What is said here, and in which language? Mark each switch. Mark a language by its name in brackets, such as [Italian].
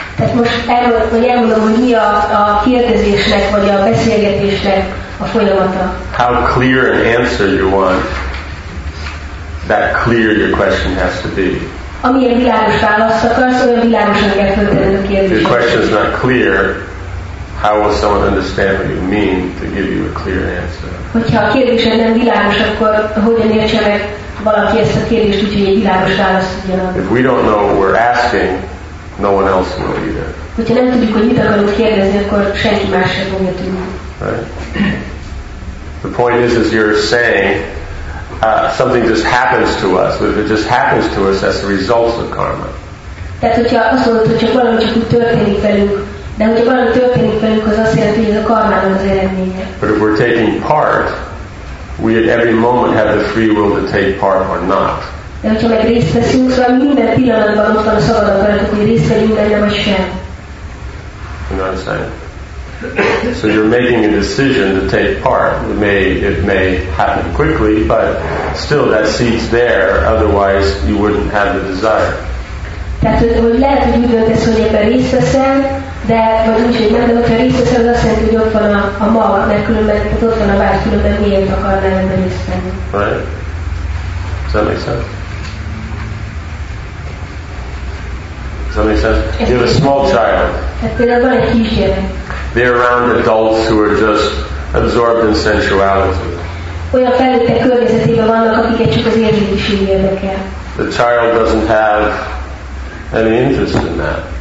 [Hungarian] Tehát most elmondom, hogy mi a kérdezésnek vagy a beszélgetésnek a folyamata. [English] How clear an answer you want? That clear your question has to be. [Hungarian] Amilyen világos választ akarsz, olyan világosan kell föltenni a kérdést. [English] If your question is not clear, how will someone understand what you mean to give you a clear answer? [Hungarian] Hogyha a kérdésed nem világos, akkor hogyan értse meg valaki ezt a kérdést, úgyhogy egy világos választ tudjanak? [English] If we don't know what we're asking, no one else will either. [Hungarian] Hogyha nem tudjuk, hogy mit akarunk kérdezni, akkor senki más sem fogja tudni. [English] Right. The point is you're saying, something just happens to us. If it just happens to us, that's the result of karma. [Hungarian] Tehát hogyha azt mondod, hogy csak valami csak úgy történik velünk, de hogyha valami történik velünk, az azt jelenti, hogy ez a karmának az eredménye. [English] But if we're taking part, we at every moment have the free will to take part or not. [Hungarian] De hogyha meg részt veszünk, szóval minden pillanatban ott van a szabad akaratok, hogy részt vegyünk benne vagy sem. [English] You know what I'm saying? So you're making a decision to take part. It may happen quickly, but still that seed's there, otherwise you wouldn't have the desire. [Hungarian] Tehát, hogy lehet, hogy úgy döntesz, hogy ebben részt veszel, de vagy úgy, hogy nem, de hogyha részt veszel, az azt jelenti, hogy ott van a mag, mert különben ott van a vágy, különben miért akarnál ebben részt venni. [English] Right? Does that make sense? Does that make sense? You have a small child. They're around adults who are just absorbed in sensuality. The child doesn't have any interest in that.